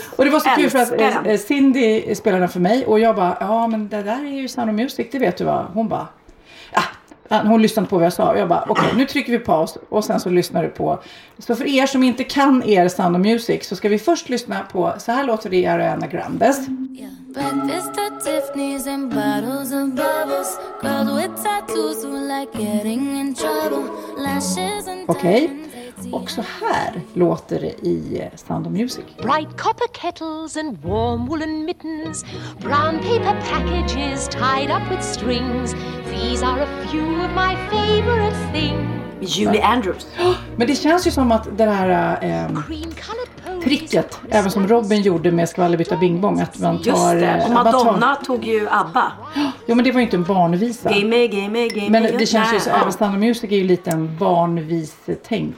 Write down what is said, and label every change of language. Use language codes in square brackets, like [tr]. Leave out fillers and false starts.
[sv] Ja, och det var så kul för att Cindy spelade den för mig. Och jag bara, ja men det där är ju Sound of Music, det vet du vad. Hon bara, ja, hon lyssnade på vad jag sa. Och jag bara, okej, nu trycker vi paus och sen så lyssnar du på. Så för er som inte kan er Sound of Music så ska vi först lyssna på, så här låter det Ariana Grandes. [en] Yeah. Breakfast at Tiffany's and bottles of bubbles. Girls with tattoos who like getting in trouble. Lashes and okay. [sv] Och så här låter det i Sound of Music. [en] Bright copper kettles and warm woolen mittens. Brown paper packages tied up with strings. These are a few of my favorite things. Julie Andrews. [sv] Men det känns ju som att det här tricket, även som Robin gjorde med Skvallerbytta bingbong, att man tar... Just det, och Madonna tog ju ABBA. Jo, men det var ju inte en barnvisa. [en] Game me, [sv] men det känns ju som att Stand Up Music är ju lite en barnvisetänk.